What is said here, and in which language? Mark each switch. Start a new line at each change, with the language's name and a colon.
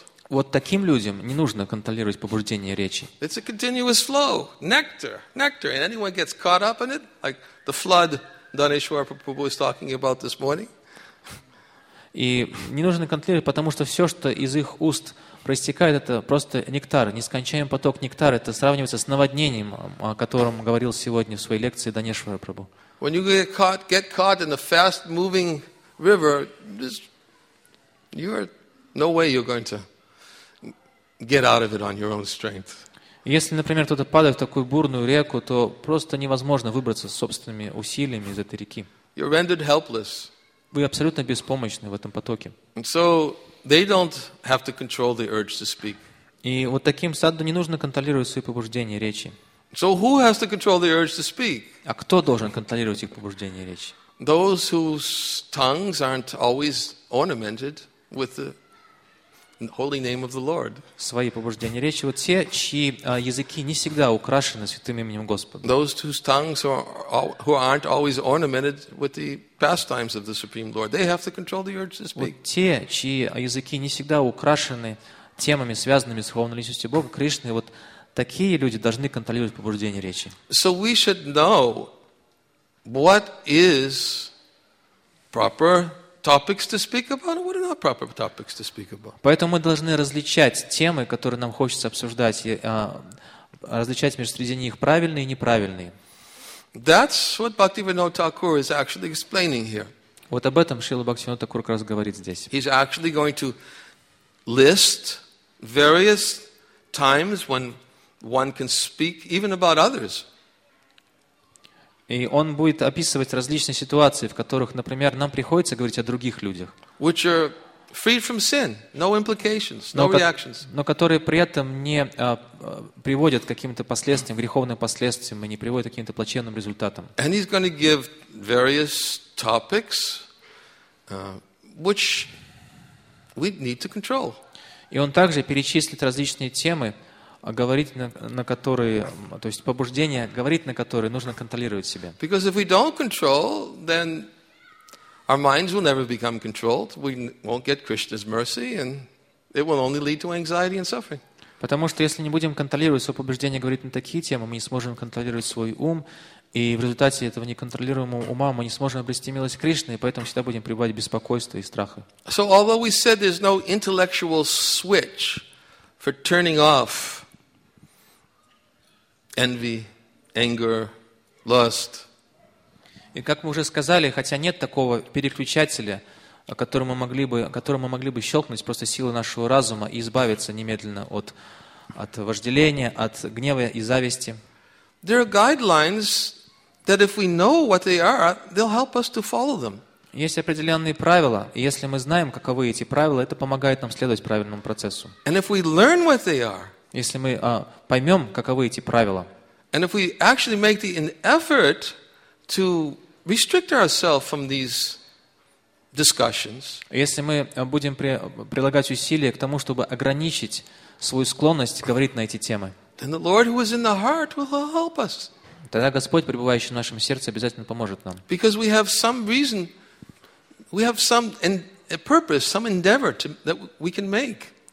Russian: Вот таким людям не нужно контролировать побуждение речи.
English: It's a continuous flow, nectar, and anyone gets caught up in it, like the flood Daneshwar Prabhu was talking about this morning.
Russian: И не нужно контролировать, потому что все, что из их уст проистекает, это просто нектар, нескончаемый поток нектара. Это сравнивается с наводнением, о котором говорил сегодня в своей лекции Данешвар Прабху.
English: When you get caught in a fast-moving river, you're no way you're going to get out of it on your own strength.
Russian: Если, например, кто-то падает в такую бурную реку, то просто невозможно выбраться собственными усилиями из этой реки.
English: You're rendered helpless.
Russian: Вы абсолютно беспомощны в этом потоке. И вот таким садду не нужно контролировать свои побуждения речи.
English: So who has to control the urge to speak?
Russian: А кто должен контролировать их побуждения речи?
English: Those whose tongues aren't always ornamented with the holy name of the Lord.
Russian: Свои побуждения речи, вот те, чьи языки не всегда украшены святым именем Господа.
English: Those whose tongues aren't always ornamented with the pastimes of the Supreme Lord, they have to control the urge to speak.
Russian: Вот те, чьи языки не всегда украшены темами, связанными с Верховной Личностью Бога Кришны, вот такие люди должны контролировать побуждения речи.
English: So we should know what is proper topics to speak about, what are not proper topics to speak about.
Russian: Поэтому мы должны различать темы, которые нам хочется обсуждать, и различать между среди них правильные и неправильные.
English: That's what Bhaktivinoda Thakur is actually explaining here.
Russian: Вот об этом Шрила Бхактивинода Тхакур как раз говорит здесь.
English: He's actually going to list various times when one can speak even about others.
Russian: И он будет описывать различные ситуации, в которых, например, нам приходится говорить о других людях.
English: Which are free from sin, no implications, no reactions.
Russian: Но которые при этом не приводят к каким-то последствиям, греховным последствиям, и не приводят к каким-то плачевным результатам.
English: And he's going to give various topics, which we need to control.
Russian: И он также перечислит различные темы, говорить на которые, то есть побуждения, говорить на которые нужно контролировать себя.
English: Because if we don't control, then our minds will never become controlled. We won't get Krishna's mercy, and it will only lead to anxiety and suffering.
Russian: Потому что если не будем контролировать свое побуждение, говорить на такие темы, мы не сможем контролировать свой ум, и в результате этого неконтролируемого ума мы не сможем обрести милость Кришны, и поэтому всегда будем пребывать беспокойство и страха.
English: So although we said there's no intellectual switch for turning off envy, anger, lust.
Russian: И как мы уже сказали, хотя нет такого переключателя, который мы могли бы щелкнуть просто силой нашего разума и избавиться немедленно от вожделения, от гнева и зависти.
English: There are guidelines that if we know what they are, they'll help us to follow them.
Russian: Есть определенные правила, и если мы знаем, каковы эти правила, это помогает нам следовать правильному процессу.
English: And if we learn what they are,
Russian: если мы поймем, каковы эти правила,
English: and if we actually make the effort to restrict ourselves from these discussions,
Russian: если мы будем прилагать усилия к тому, чтобы ограничить свою склонность говорить на эти темы,
English: then the Lord who is in the heart will help us.
Russian: Тогда Господь, пребывающий в нашем сердце, обязательно поможет нам.
English: Because we have some reason, we have some purpose, some endeavor that we can make.